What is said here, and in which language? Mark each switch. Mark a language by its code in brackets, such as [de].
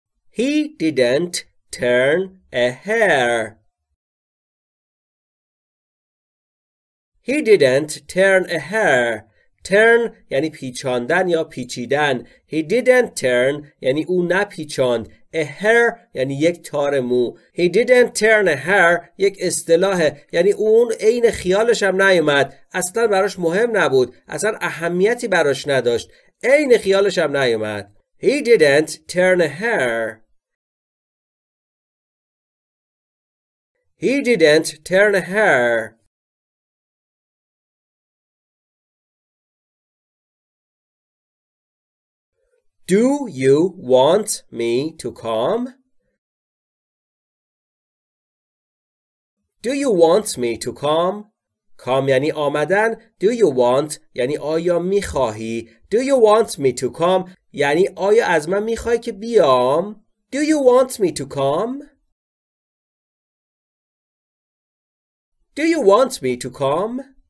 [en] He didn't turn a hair. He didn't turn a hair. [fa] Turn یعنی پیچاندن یا پیچیدن. [en] He didn't turn [fa] یعنی او نپیچاند. [en] A hair [fa] یعنی یک تار مو. [en] He didn't turn a hair [fa] یک اصطلاحه. یعنی اون عین خیالش هم نیومد. اصلا براش مهم نبود. اصلا اهمیتی براش نداشت. عین خیالش هم نیومد. [en] He didn't turn a hair. He didn't turn a hair. Do you want me to come? Do you want me to come? [fa] Come یعنی آمدن. [en] Do you want [fa] یعنی آیا میخواهی. [en] Do you want me to come [fa] یعنی آیا از من میخواهی که بیام. [en] Do you want me to come? Do you want me to come?